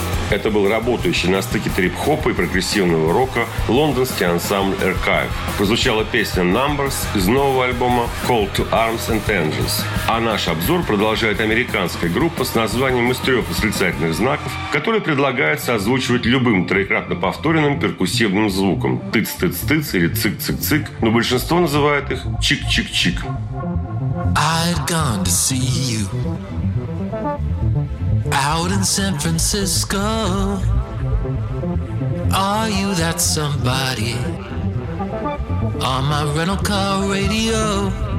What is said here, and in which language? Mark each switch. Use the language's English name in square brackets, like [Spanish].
[Russian] Это был работающий на стыке трип-хопа и прогрессивного рока лондонский ансамбль «Экайф». Прозвучала песня «Numbers» из нового альбома «Call to Arms and Engines». А наш обзор продолжает американская группа с названием из трех восклицательных знаков, которая предлагается озвучивать любым троекратно повторенным перкуссивным звуком «тыц-тыц-тыц» или «цик-цик-цик», но большинство называет их «чик-чик-чик». [English] I've gone to see you out in San Francisco. Are you that somebody on my rental car radio?